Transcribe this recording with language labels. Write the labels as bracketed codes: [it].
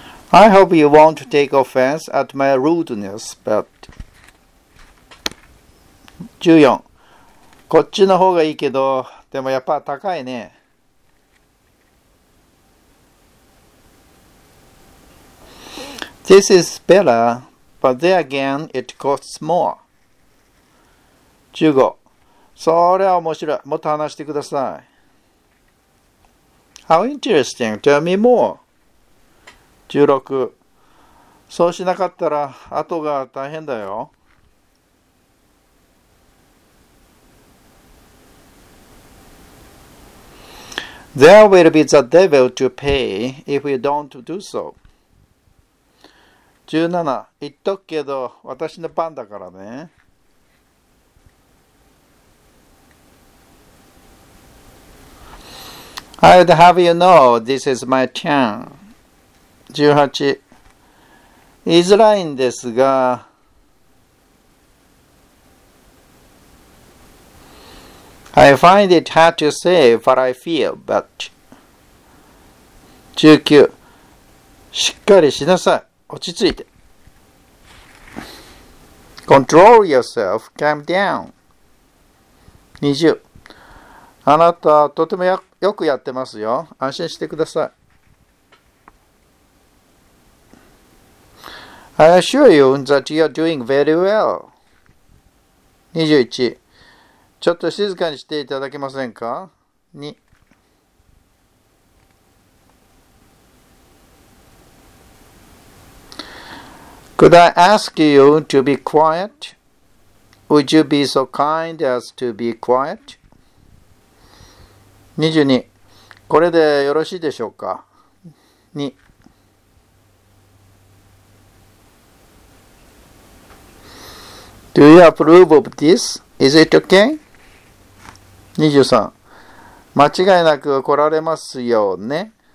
[en] I hope you won't take offense at my rudeness, but... 14. [ja] こっちの方がいいけど、でもやっぱ高いね。 [en] This is better, but there again, it costs more. [ja] 15. それは面白い。もっと話してください。 [en] How interesting. Tell me more. 16. [ja] そうしなかったら、後が大変だよ。 [en] There will be the devil to pay if we don't do so. 17. [ja] 言っとくけど、私の番だからね。 [en] I'd have you know this is my turn. 18. [ja] 言いづらいんですが、 [en] I find it hard to say what I feel, but... [ja] 19. しっかりしなさい。落ち着いて。 [en] Control yourself. Calm down. 20. [ja] あなたとてもよくやってますよ。安心してください。 [en] I assure you that you are doing very well. 21. [ja] ちょっと静かにしていただけませんか？ 2. [en] Could I ask you to be quiet? Would you be so kind as to be quiet? 22. [ja] これでよろしいでしょうか? 2. [en] Do you approve of this? Is it okay? 23. [ja] 間違いなく来られますよね。